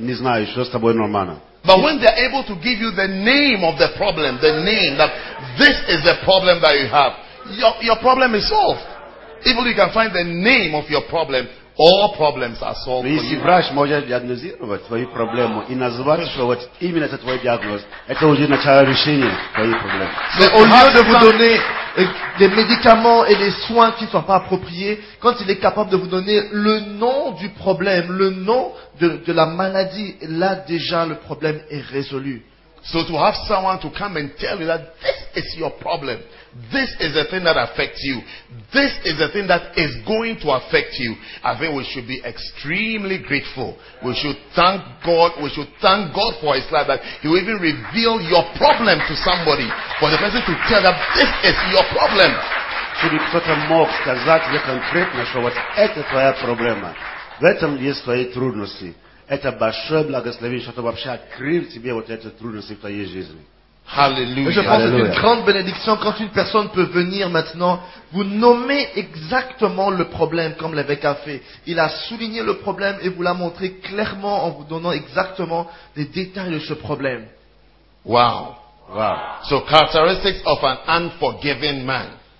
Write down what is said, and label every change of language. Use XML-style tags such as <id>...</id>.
<en>But when they're able to give you the name of the problem, the name that this is the problem that you have, your problem is solved. Even if you can find the name of your problem, all problems are solved.</en> <ru>Но если врач может диагностировать твою проблему и назвать, что вот именно это твой диагноз, это уже начало решения твоей проблемы.</ru> <fr>Mais au lieu de vous donner des médicaments et des soins qui ne sont pas appropriés, quand il est capable de vous donner le nom du problème, le nom de la maladie, là déjà le problème est résolu.</fr> <en>So to have someone to come and tell you that this is your problem, this is the thing that affects you, this is the thing that is going to affect you, I think we should be extremely grateful. We should thank God. We should thank God for His life that He will even reveal your problem to somebody, for the person to tell them this is your problem.</en> <ru>Чтобы кто-то мог сказать конкретно, что вот это твоя проблема, в этом есть твои трудности. Это большое благословение, что ты вообще открыл тебе вот эти трудности в твоей жизни. Hallelujah.</ru> <fr>Je pense que c'est une grande bénédiction quand une personne peut venir maintenant vous nommer exactement le problème comme l'évêque a fait. Il a souligné le problème et vous l'a montré clairement en vous donnant exactement les détails de ce problème. Wow. Wow.</fr> <en>So characteristics of an unforgiving man.</en>